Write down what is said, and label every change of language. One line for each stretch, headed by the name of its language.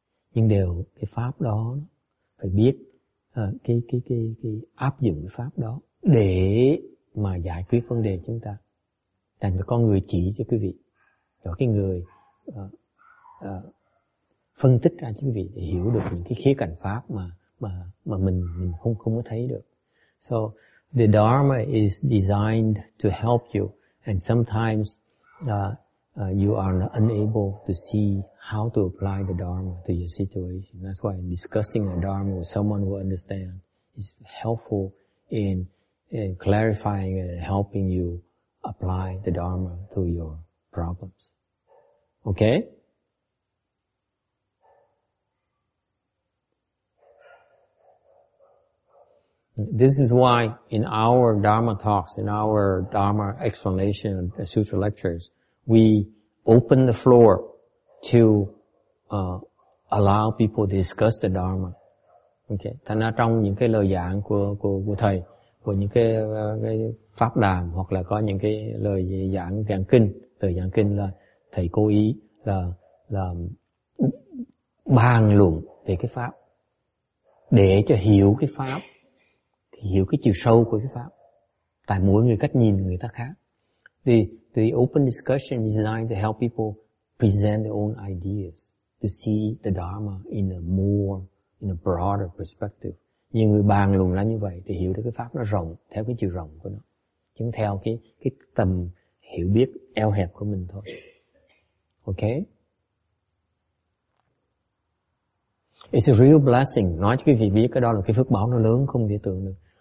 Vietnamese: Nhưng đều cái pháp đó phải biết cái áp dụng cái pháp đó để mà giải quyết vấn đề chúng ta. Thành phải có người chỉ cho quý vị. Cho cái người phân tích ra chứ vị để hiểu được những cái khía cạnh pháp mà mình không có thấy được.
English: So the Dharma is designed to help you, and sometimes you are unable to see how to apply the Dharma to your situation. That's why discussing the Dharma with someone who understands is helpful in clarifying and helping you apply the Dharma to your problems. Okay? This is why in our Dharma talks, in our Dharma explanation and sutra lectures, we open the floor to allow people to discuss the Dharma. Okay.
Vietnamese: Thành ra trong những cái lời giảng của thầy, của những cái pháp đàm hoặc là có những cái lời giảng giảng kinh, lời giảng kinh là thầy cố ý là bàn luận về cái pháp để cho hiểu cái pháp, hiểu cái chiều sâu của cái pháp. Tại mỗi người cách nhìn người ta khác.
English: The open discussion is designed to help people present their own ideas to see the Dharma in a more, in a broader perspective.
Vietnamese: Nhiều người bàn luận là như vậy để hiểu được cái pháp nó rộng, theo cái chiều rộng của nó, chứ theo cái tầm hiểu biết eo hẹp của mình thôi. Okay?
English: It's a real blessing.
Vietnamese: Nói cho quý vị biết, cái đó là cái phước báo nó lớn không thể tưởng được.